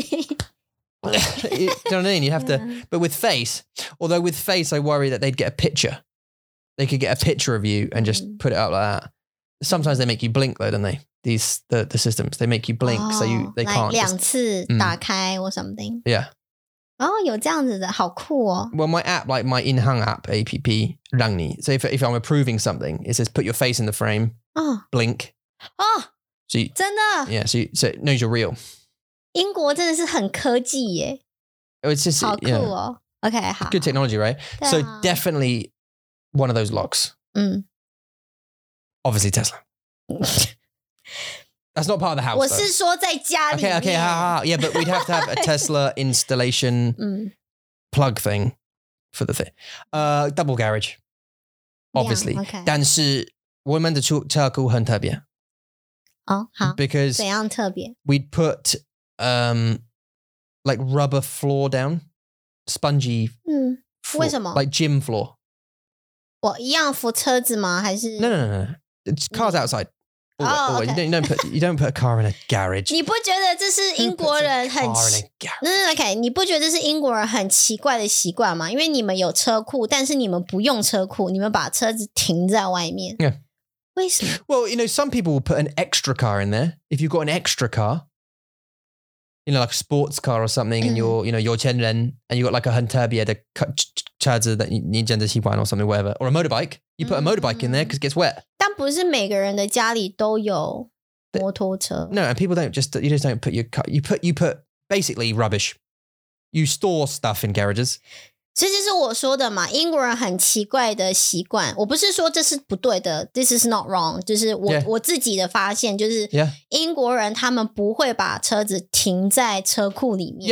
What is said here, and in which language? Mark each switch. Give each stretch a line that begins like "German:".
English: Do you know what I mean? You have to, but with face, although with face I worry that they'd get a picture, they could get a picture of you and just put it up like that. Sometimes they make you blink though, don't they? These the systems, they make you blink, so you they like can't
Chinese: 两次打开
English: or something. Yeah.
Chinese: Oh, 有这样子的，好酷哦。
English: Well, my app, like my in-hang app, APP, 让你, so if I'm approving something, it says put your face in the frame, blink. Oh, so you,
Chinese: 真的?
English: Yeah, so, you, so it knows you're real.
Chinese: 英国真的是很科技耶。
English: Oh, it's just,
Chinese: 好酷哦。
English: You know, okay, good technology, right?
Chinese: 对啊。
English: So definitely one of those locks. Obviously Tesla. That's not part of the house.
Chinese: 我是说在家里面.
English: Okay, okay, yeah, but we'd have to have a Tesla installation plug thing for the thing. Double garage, obviously. Yeah, okay.
Chinese: 但是我们的车库很特别. Oh, 好.
English: Because
Chinese: 怎样特别?
English: We'd put like rubber floor down, spongy
Chinese: floor. 为什么?
English: Like gym floor.
Chinese: 我一样扶车子吗?还是?
English: No. It's cars outside. Oh, okay. You don't put a car in a garage.
Chinese: 你不觉得这是英国人很奇怪?
English: No, okay.
Chinese: 你不觉得这是英国人很奇怪的习惯吗?因为你们有车库, 但是你们不用车库, 你们把车子停在外面。
English: Yeah.
Chinese: 为什么?
English: Well, you know, some people will put an extra car in there. If you've got an extra car, you know, like a sports car or something, and you're, you know, you're 有钱人, and you got like a
Chinese: 很特别的车子
English: that
Chinese: 你真的喜欢
English: or something, whatever. Or a motorbike. You put a motorbike in there because it gets wet.
Chinese: 但不是每个人的家里都有摩托车。
English: No, and people don't just, you just don't put your car, you put basically rubbish. You store stuff in garages.
Chinese: 这就是我说的嘛,英国人很奇怪的习惯。我不是说这是不对的,
English: this is not wrong,
Chinese: 就是我自己的发现,就是英国人他们不会把车子停在车库里面。